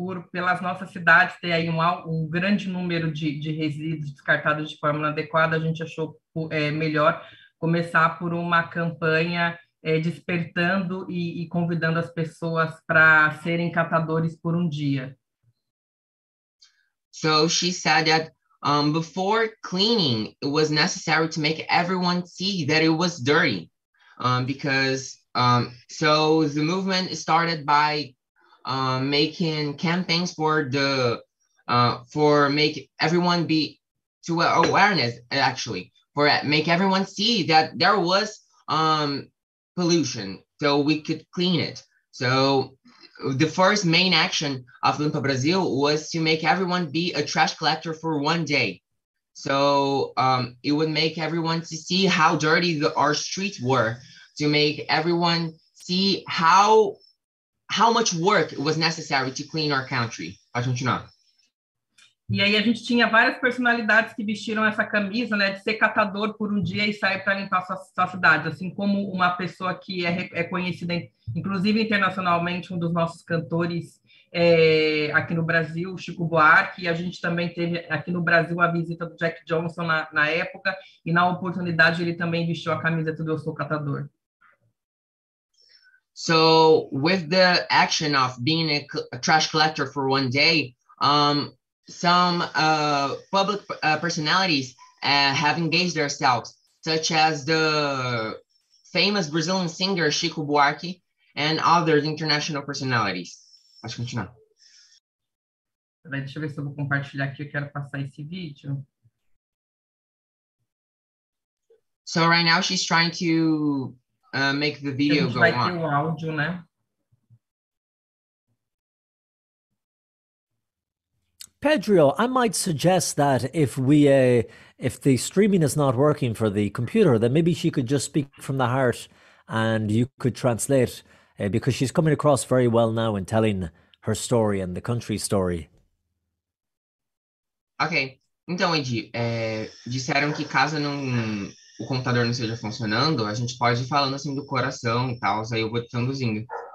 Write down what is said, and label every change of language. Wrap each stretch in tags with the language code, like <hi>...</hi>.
<pt>Pelas nossas cidades ter aí um grande número de resíduos descartados de forma inadequada, a gente achou melhor começar por uma campanha despertando e convidando as pessoas para serem catadores por um dia.</pt> <en>So she said that before cleaning, it was necessary to make everyone see that it was dirty. So the movement started by making campaigns make everyone see that there was pollution, so we could clean it. So the first main action of Limpa Brasil was to make everyone be a trash collector for one day. So it would make everyone to see how dirty our streets were, to make everyone see how much work was necessary to clean our country.</en> <pt>Pode continuar. E aí a gente tinha várias personalidades que vestiram essa camisa, né, de ser catador por um dia e sair para limpar sua cidade, assim como uma pessoa que é conhecida, inclusive internacionalmente, um dos nossos cantores aqui no Brasil, Chico Buarque, e a gente também teve aqui no Brasil a visita do Jack Johnson na época, e na oportunidade ele também vestiu a camiseta do Eu Sou Catador.</pt> <en>So, with the action of being a trash collector for one day, some public personalities have engaged themselves, such as the famous Brazilian singer Chico Buarque and other international personalities. Let's continue.</en> <pt>Deixa eu ver se eu vou compartilhar aqui, eu quero passar esse vídeo.</pt> <en>So right now she's trying to make the video go on.</en> <pt>A gente vai ter o áudio, né?</pt> <en>Pedro, I might suggest that if we if the streaming is not working for the computer, then maybe she could just speak from the heart and you could translate, because she's coming across very well now in telling her story and the country's story. Okay.</en> <pt>Então, Edi, disseram que caso o computador não esteja funcionando, a gente pode ir falando assim do coração e tal, aí eu vou traduzindo.</pt>